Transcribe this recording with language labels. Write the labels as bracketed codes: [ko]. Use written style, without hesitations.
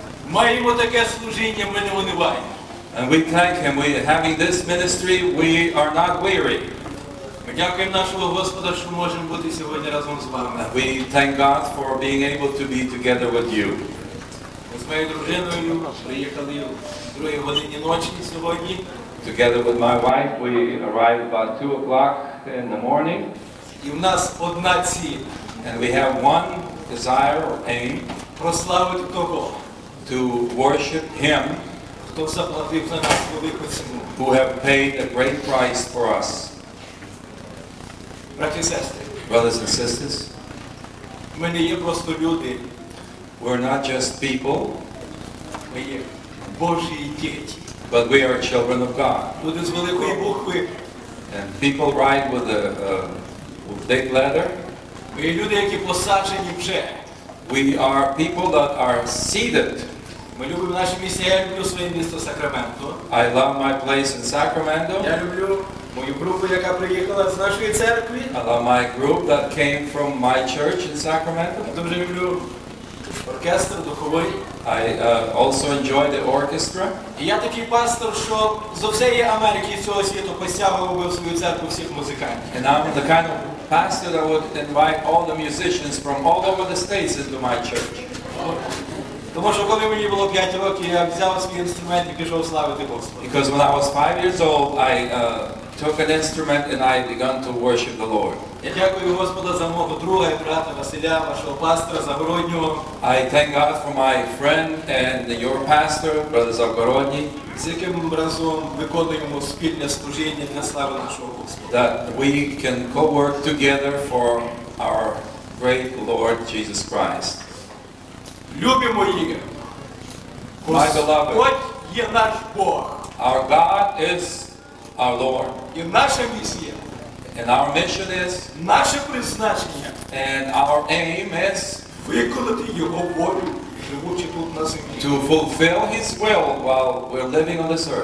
[uk] Маємо таке служіння, ми не унываємо. [en] And we thank Him. We having this ministry, we are not weary. [uk] Ми дякуємо нашого Господа, що можемо бути сьогодні разом з вами. [en] We thank God for being able to be together with you. [uk] Ми з моєю дружиною приїхали в 2 годині ночі сьогодні. [en] Together with my wife, we arrived about 2 o'clock in the morning. [uk] І в нас одна ціль. [en] And we have one desire or aim. [uk] Прославити того. [en] To worship Him. [uk] Хто заплатив за нас велику ціну. [en] Who have paid a great price for us. [uk] Браті і сестри, [en] brothers and sisters, [uk] ми не є просто люди, [en] we're not just people, [uk] ми є Божі діти, [en] but we are children of God, [uk] люди з великої букви, [en] and people write with a big letter, [uk] ми є люди, які посаджені вже, [en] we are people that are seated, [uk] ми любимо наше місце, я люблю своє місто Сакраменто, [en] I love my place in Sacramento, [uk] я люблю мою групу, яка приїхала з нашої церкви. [en] I love my group that came from my church in Sacramento. [uk] Я дуже люблю оркестр духовий. [en] I also enjoy the orchestra. [uk] І я такий пастор, що з усієї Америки і цього світу посягував би в свою церкву всіх музикантів. [en] And I'm the kind of pastor that would invite all the musicians from all over the states into my church. [uk] Тому що коли мені було 5 років, я взяв свій інструмент і пішов славити Господа. [en] Because when I was 5 years old, I took an instrument and I began to worship the Lord. [uk] Я дякую Господу за мого друга і брата Василя, вашого пастора Загороднього. [en] I thank God for my friend and your pastor, brother Загородній. [uk] З яким разом виконуємо спільне служіння для слави нашого Господа. [en] That we can co-work together for our great Lord Jesus Christ. [uk] Любимо Його. [en] My beloved. [uk] Господь є наш Бог. [en] Our God is our Lord. [uk] І наша місія. [en] And our mission is. [uk] Наше призначення. [en] And our aim is. [uk] виконати його волю, живучи тут на землі. [en] To fulfill his will while we're living on this earth.